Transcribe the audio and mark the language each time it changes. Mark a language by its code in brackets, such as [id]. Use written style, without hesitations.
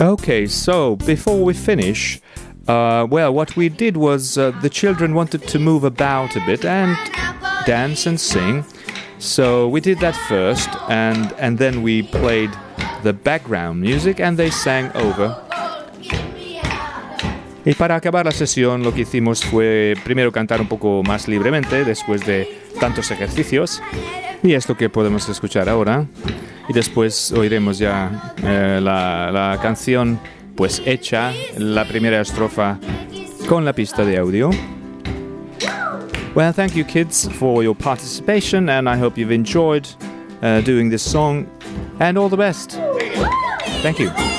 [en] Okay, so before we finish, well, what we did was the children wanted to move about a bit and dance and sing. So we did that first, and then we played the background music and they sang over. [es] Y para acabar la sesión, lo que hicimos fue primero cantar un poco más libremente después de tantos ejercicios. Y esto que podemos escuchar ahora. Y después oiremos ya la canción. Pues hecha la primera estrofa con la pista de audio. [en] Well, thank you, kids, for your participation, and I hope you've enjoyed doing this song. And all the best. Thank you.